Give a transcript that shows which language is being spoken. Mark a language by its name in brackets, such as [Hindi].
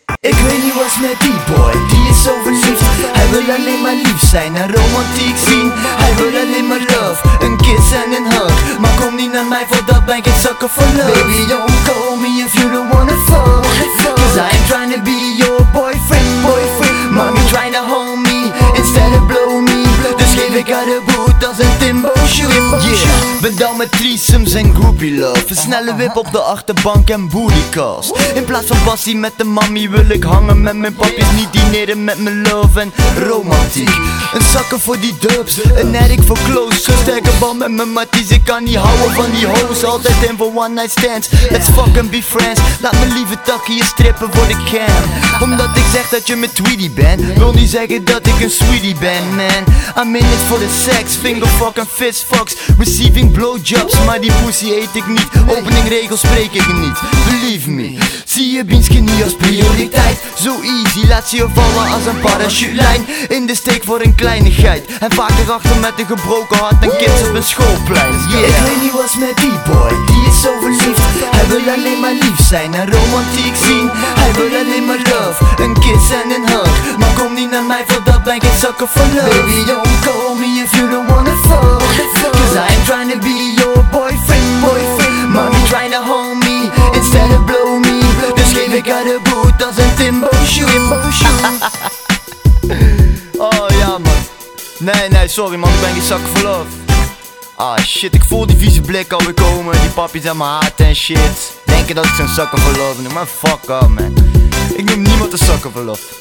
[Dutch] Ik weet niet wat's met die boy, die is zo verliefd. Hij wil alleen maar lief zijn en romantiek zien. Hij wil alleen maar love, een kiss en een hug. Maar kom niet naar mij voor dat ben ik een [English] sucker for love. Baby don't call me if you don't wanna fuck. Cause I'm trying to be your boyfriend, boyfriend. Mommy trying to hold me instead of blow me. [Dutch] Dus geef ik haar de boot als een Timbo shoot. Yeah. Ben down met threesomes en groupie love. Een snelle wip op de achterbank en booty calls. In plaats van passie met de mami wil ik hangen met mijn papjes. Niet dineren met mijn love en romantiek. Een zakken voor die dubs, een Eric voor close. Sterke band met mijn matties, ik kan niet houden van die hoes. Altijd in voor [English] one night stands, let's fucking be friends. [Dutch] Laat mijn lieve takkie eens strippen voor de cam. Omdat ik zeg dat je mijn tweedie bent, wil niet zeggen dat ik een sweetie ben, man. [English] I'm in it for the sex, finger fucking fist fucks. Receiving blowjobs, [Dutch] maar die pussy eet ik niet. Openingregels spreek ik niet, [English] believe me. [Dutch] Zie je Beanskin niet als prioriteit. Zo easy, laat ze je vallen als een parachutelijn. In de steek voor een kleine geit. En vaker achter met een gebroken hart en kids op een schoolplein. Yeah. Ik weet niet wat's met die boy, die is zo verliefd. Hij wil alleen maar lief zijn en romantiek zien. Hij wil alleen maar love, een kiss en een hug. Maar kom niet naar mij, voor dat ben ik een [English] sucker for love. Baby don't call me if you don't wanna fuck. I'm trying to be your boyfriend, boyfriend. Mommy trying to hold me instead of blow me. [Dutch] Dus geef ik haar de boot als een Timbo shoot. Oh ja, man. Nee, sorry man, ik ben geen zak voor love. Ah shit, ik voel die vieze blik alweer komen. Die papjes aan mijn haat en shit. Denken dat ik zijn zakken voor love noem, maar [English] fuck up, [Dutch] man. Ik noem niemand een zakken voor love.